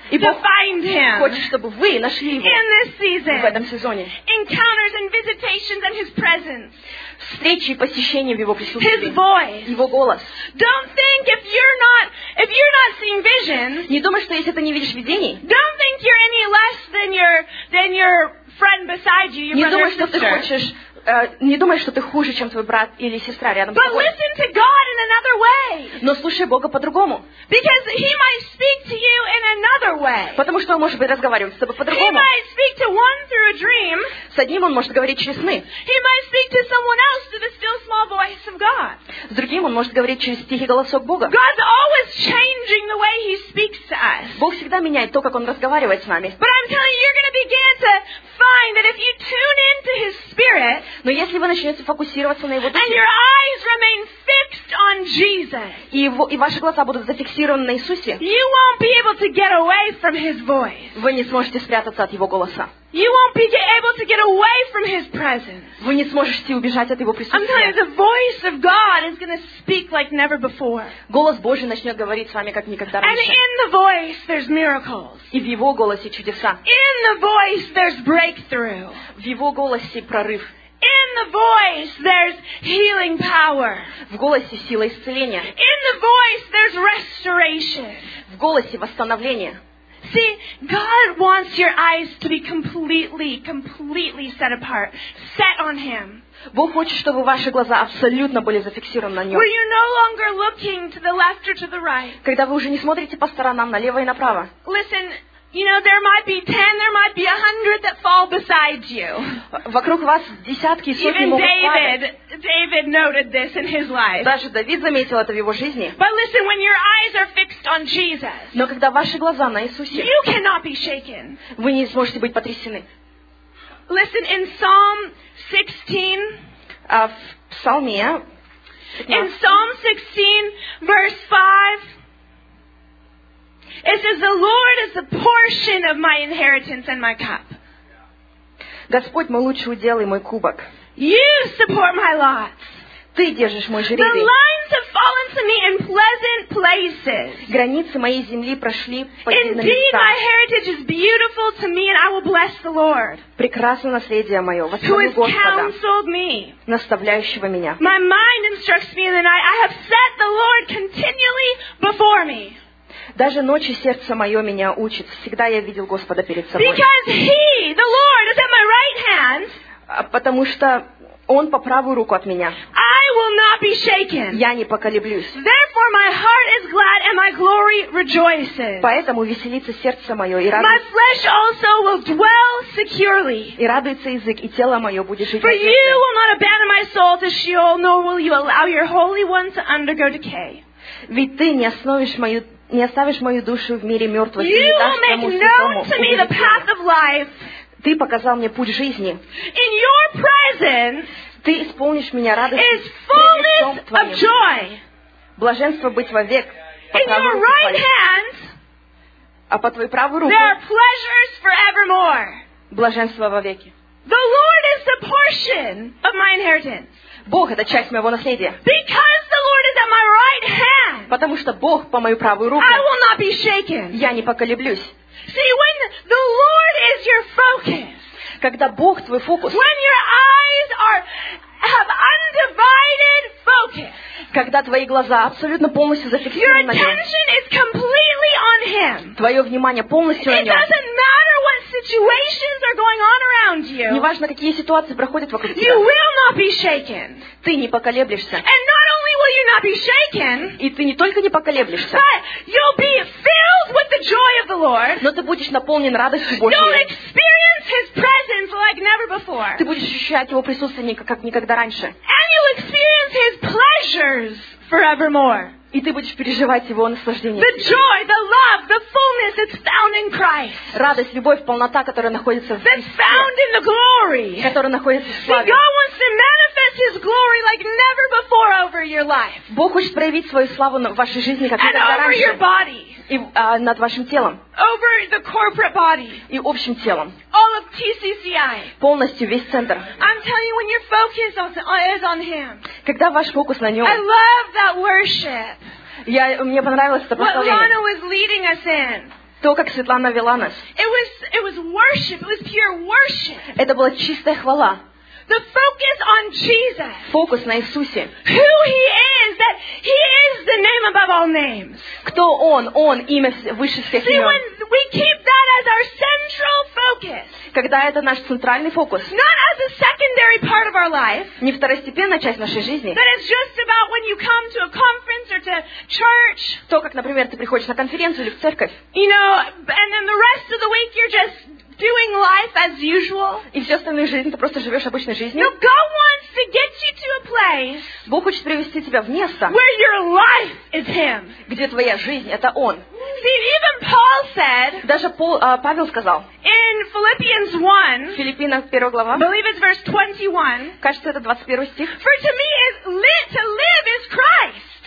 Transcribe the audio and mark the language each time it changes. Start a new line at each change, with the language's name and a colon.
Russian: И Бог
English: to find him.
Russian: Хочет, чтобы вы нашли его
English: In this season.
Russian: В этом сезоне.
English: Encounters and visitations and his presence.
Russian: Встречи и посещения в его присутствии.
English: His voice.
Russian: Его голос.
English: Don't think if you're not seeing visions,
Russian: не думай, что если ты не видишь видений,
English: don't think you're any less than your friend beside you, your
Russian: не
English: brother
Russian: думай, что ты хочешь не думай, что ты хуже, чем твой брат или сестра рядом с тобой.
English: But listen to God in another way.
Russian: Но слушай Бога по-другому.
English: Because he might speak to you in another way.
Russian: Потому что он может быть разговаривать с тобой по-другому.
English: He might speak to one through a dream.
Russian: С одним он может говорить через сны.
English: He might speak to someone else through the still small voice of God.
Russian: С другим он может говорить через тихий голосок Бога.
English: God's always changing the way he speaks to us.
Russian: Бог всегда меняет то, как он разговаривает с нами.
English: But I'm telling you, you're going to begin to find that if you tune into his spirit,
Russian: Но если вы начнете фокусироваться на Его духе,
English: and your eyes remain fixed on Jesus,
Russian: и ваши глаза будут зафиксированы на Иисусе,
English: you won't be able to get away from His voice.
Russian: Вы не сможете спрятаться от Его голоса.
English: You won't be able to get away from His presence.
Russian: Вы не сможете убежать от Его присутствия.
English: I'm telling you, the voice of God is going to speak like never before.
Russian: Голос Божий начнет говорить с вами как никогда раньше.
English: And in the voice there's miracles.
Russian: И в Его голосе чудеса.
English: In the voice there's breakthrough.
Russian: В Его голосе прорыв.
English: In the voice there's healing power.
Russian: В голосе сила исцеления.
English: In the voice there's restoration.
Russian: В голосе восстановление.
English: See, God wants your eyes to be completely, completely set apart, set on Him.
Russian: Бог хочет, чтобы ваши глаза абсолютно были зафиксированы на Нем.
English: Where you're no longer looking to the left or to the right.
Russian: Когда вы уже не смотрите по сторонам налево и направо.
English: Listen. You know, there might be 10, there might be 100 that fall beside you.
Russian: Вокруг вас десятки, сотни могут падать.
English: David noted this in his life.
Russian: Даже Давид заметил это в его жизни.
English: But listen, when your eyes are fixed on Jesus,
Russian: Но когда ваши глаза на Иисусе,
English: you cannot be shaken.
Russian: Вы не сможете быть потрясены.
English: Listen, in Psalm 16,
Russian: в Псалме,
English: in Psalm 16, verse 5, It says, "The Lord is the portion of my inheritance and my cup."
Russian: Господь мой лучший удел и мой кубок.
English: You support my lot.
Russian: Ты держишь мой жребий.
English: The lines have fallen to me in pleasant places.
Russian: Границы моей земли прошли по
English: Indeed,
Russian: местам.
English: My heritage is beautiful to me, and I will bless the Lord.
Russian: Прекрасно наследие мое, восхвалю Господа.
English: Who has counseled me?
Russian: Наставляющего меня.
English: My mind instructs me in the night. I have set the Lord continually before me.
Russian: Даже ночью сердце мое меня учит. Всегда я видел Господа перед собой.
English: Because He, the Lord, is at my right hand.
Russian: Потому что Он по правую руку от меня.
English: I will not be shaken.
Russian: Я не поколеблюсь.
English: Therefore my heart is glad and my glory rejoices.
Russian: Поэтому веселится сердце мое и радуется.
English: My flesh also will dwell securely.
Russian: И радуется язык, и тело мое будет жить.
English: For you will not abandon my soul to Sheol, nor will you allow your Holy One to undergo decay.
Russian: Ведь ты не остановишь мою Не оставишь мою душу в мире мертвых, и не дашь тому святому убежать. Ты показал мне путь жизни.
English: In your presence
Russian: ты исполнишь меня радостью.
English: Is fullness of joy.
Russian: Блаженство быть вовек.
English: In your right hand,
Russian: а по твоей правой руке
English: there are pleasures forevermore.
Russian: Блаженство вовеки.
English: The Lord is the portion of my inheritance.
Russian: Бог — это часть моего наследия.
English: Because the Lord is at my right hand,
Russian: потому что Бог по мою правую руку.
English: I will not be shaken.
Russian: Я не поколеблюсь.
English: See, when the Lord is your focus,
Russian: когда Бог твой фокус,
English: when your eyes are, have undivided focus,
Russian: когда твои глаза абсолютно полностью зафиксированы на Нем,
English: your attention is completely on Him.
Russian: Твое внимание полностью на Нем.
English: It doesn't matter what situations are going on around you.
Russian: Неважно, какие ситуации проходят вокруг тебя.
English: You will not be shaken.
Russian: Ты не поколеблешься.
English: And not only will you not be shaken,
Russian: и ты не только не поколеблешься,
English: but you'll be filled with the joy of the Lord.
Russian: Но ты будешь наполнен радостью Божьей.
English: You'll experience His presence like never before.
Russian: Ты будешь ощущать Его присутствие как никогда раньше.
English: And you'll experience His pleasures forevermore.
Russian: И ты будешь переживать Его наслаждение.
English: The joy, the love, the fullness that's found in Christ.
Russian: Радость, любовь, полнота, которая находится в Христе.
English: That's found in the glory.
Russian: Которая находится в славе.
English: See, God wants to manifest His glory like never before over your life.
Russian: Бог хочет проявить свою славу в вашей жизни, как никогда раньше.
English: And over your body.
Russian: И над вашим телом.
English: Over the corporate body.
Russian: И общим телом.
English: All of TCCI.
Russian: Полностью весь центр.
English: I'm telling you, when your focus is on Him.
Russian: когда ваш фокус на нем.
English: I love that worship.
Russian: Я, мне понравилось это прославление.
English: What Lana was leading us in.
Russian: То, как Светлана вела нас.
English: It was worship. It was pure worship.
Russian: Это была чистая хвала.
English: The focus on Jesus.
Russian: Фокус на Иисусе.
English: Who he is, that he is the name above all names.
Russian: Кто он? Он имя выше всех имен.
English: See, when we keep that as our central focus.
Russian: Когда это наш центральный фокус.
English: Not as a secondary part of our life.
Russian: Не второстепенная часть нашей жизни.
English: But it's just about when you come to a conference or to church.
Russian: То, как, например, ты приходишь на конференцию или в церковь.
English: You know, and then the rest of the week you're just doing life as usual.
Russian: И всю остальную жизнь ты просто живешь обычной жизнью.
English: No, God wants to get you to a place.
Russian: Бог хочет привести тебя в место.
English: Where your life is Him.
Russian: Где твоя жизнь — это Он.
English: See, even Paul said.
Russian: Даже Павел сказал.
English: In Philippians 1.
Russian: Филиппинах 1 глава.
English: Believe it's verse 21.
Russian: Кажется, это 21 стих.
English: For to me is to live is Christ.